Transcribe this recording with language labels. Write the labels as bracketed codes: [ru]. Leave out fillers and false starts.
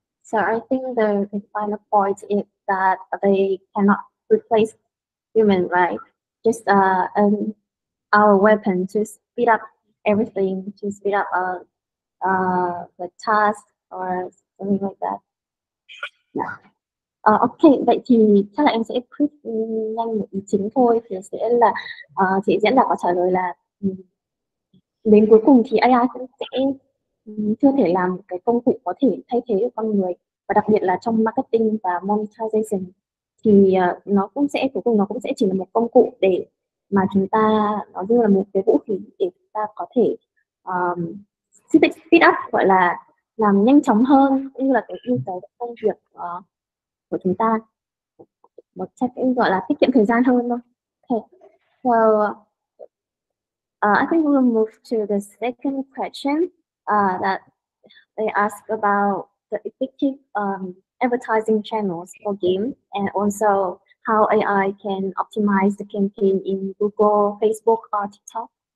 [en] So I think the final point is that they cannot replace human, right? Just our weapon to speed up everything, to speed up the task or something like that. Yeah. [vi] Okay, vậy thì chắc là em sẽ quyết nhanh ý chính thôi, thì sẽ là chị diễn đạt có trả lời là đến cuối cùng thì AI cũng sẽ chưa thể làm cái công cụ có thể thay thế được con người. và đặc biệt là trong marketing và monetization, thì nó cũng sẽ, cuối cùng nó cũng sẽ chỉ là một công cụ để mà chúng ta, nó như là một cái vũ khí để chúng ta có thể [en] speed up, [vi] gọi là làm nhanh chóng hơn cũng như là cái yêu cầu công việc của chúng ta, một cách gọi là tiết kiệm thời gian hơn thôi. [en] Okay. So, I think we'll move to the second question that they ask about the effective advertising channels for game, and also how AI can optimize the campaign in Google, Facebook, or TikTok.